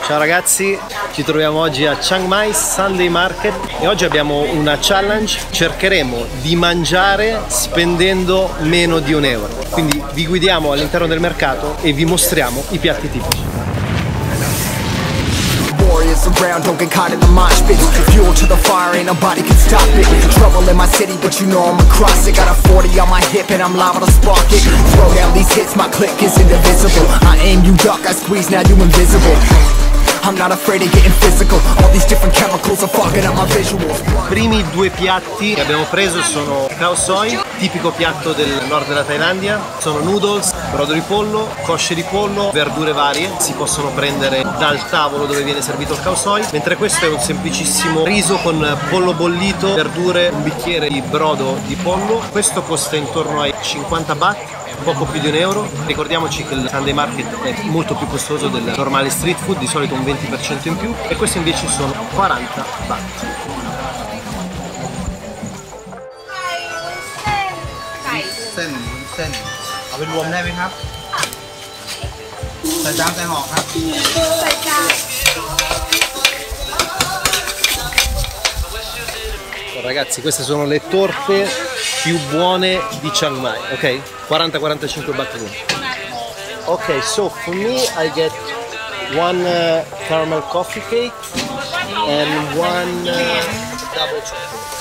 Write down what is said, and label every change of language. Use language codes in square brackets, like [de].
[it] Ciao ragazzi, ci troviamo oggi a Chiang Mai Sunday Market e oggi abbiamo una challenge. Cercheremo di mangiare spendendo meno di un euro. Quindi vi guidiamo all'interno del mercato e vi mostriamo i piatti tipici. [en] Around, don't get caught in the mosh pit. The fuel to the fire, ain't nobody can stop it. Trouble in my city, but you know I'm across it. Got a 40 on my hip and I'm liable to spark it. Throw down these hits, my click is indivisible. I aim, you duck, I squeeze, now you invisible. I'm not afraid of getting physical. All these different chemicals are fucking up my visuals. [it] Primi due piatti che abbiamo preso sono Khao Soi, tipico piatto del nord della Thailandia. Sono noodles, brodo di pollo, cosce di pollo, verdure varie. Si possono prendere dal tavolo dove viene servito il Khao Soi. Mentre questo è un semplicissimo riso con pollo bollito, verdure, un bicchiere di brodo di pollo. Questo costa intorno ai 50 baht, poco più di un euro. Ricordiamoci che il Sunday Market è molto più costoso del normale street food, di solito un 20% in più, e questi invece sono 40 baht. Ragazzi, queste sono le torte più buone di Chiang Mai, ok? 40-45 baht. [en] Ok, so for me I get one caramel coffee cake and one double chocolate.